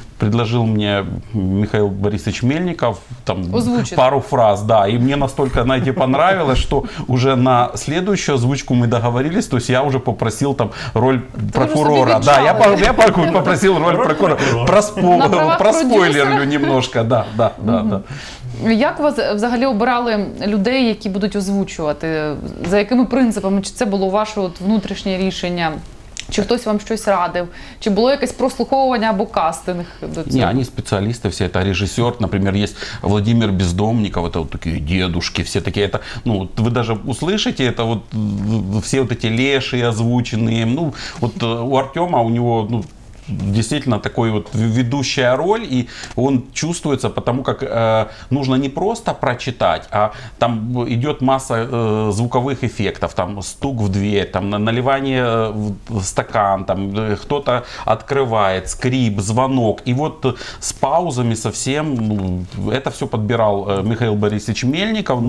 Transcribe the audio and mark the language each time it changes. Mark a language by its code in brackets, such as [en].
[ru] предложил мне Михаил Борисович Мельников там пару фраз, да, и мне настолько, знаете, понравилось, что уже на следующую озвучку мы договорились, то есть я уже попросил там роль прокурора, да, я попросил роль прокурора, проспойлерлю немножко, да. [uk] Як вас взагалі обирали людей, які будуть озвучувати? За якими принципами? Чи це було ваше от внутрішнє рішення? Чи хтось вам щось радив? Чи було якесь прослуховування або кастинг до цього? Ні, вони спеціалісти, всі це режисер. Наприклад, є Володимир Бездомников, це такі дідушки, всі такі. Це, ну, ви навіть [ru] услышите, [uk] це от, всі от ці леші озвучені. Ну, от у Артема, у нього, ну, [ru] действительно такой вот ведущая роль, и он чувствуется, потому как нужно не просто прочитать, а там идет масса звуковых эффектов, там стук в дверь, там наливание в стакан, там кто-то открывает, скрип, звонок, и вот с паузами совсем, это все подбирал Михаил Борисович Мельников.